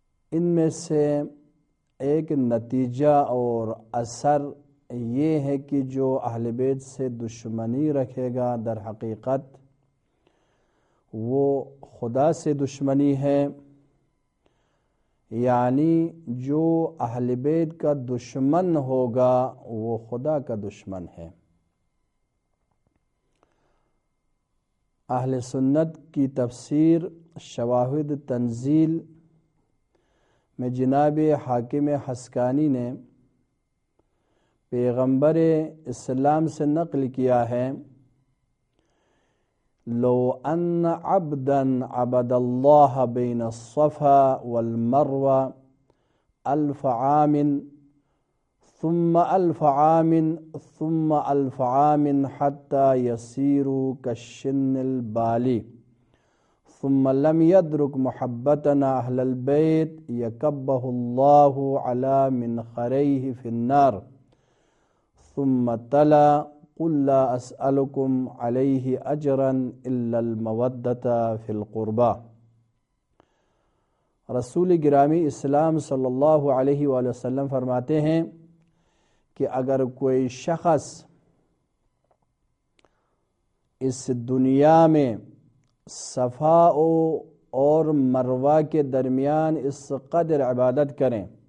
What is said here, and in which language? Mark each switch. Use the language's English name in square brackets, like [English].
[Urdu] ان میں سے ایک نتیجہ اور اثر یہ ہے کہ جو اہل بیت سے دشمنی رکھے گا، در حقیقت وہ خدا سے دشمنی ہے. یعنی جو اہل بیت کا دشمن ہوگا وہ خدا کا دشمن ہے. اہل سنت کی تفسیر شواہد تنزیل میں جناب حاکم حسکانی نے پیغمبر اسلام سے نقل کیا ہے، [Arabic] لو ان عبدا عبد الله بين الصفا والمروه الف عام ثم الف عام ثم الف عام حتى يصير كالشن البالي ثم لم يدرك محبتنا اهل البيت يكبه الله على منخريه في النار ثم تلا قل لا اسالكم عليه اجرا الا الموده في القربى. [Urdu] رسول گرامی اسلام صلی اللہ علیہ وآلہ وسلم فرماتے ہیں کہ اگر کوئی شخص اس دنیا میں صفا اور مروہ کے درمیان اس قدر عبادت کریں،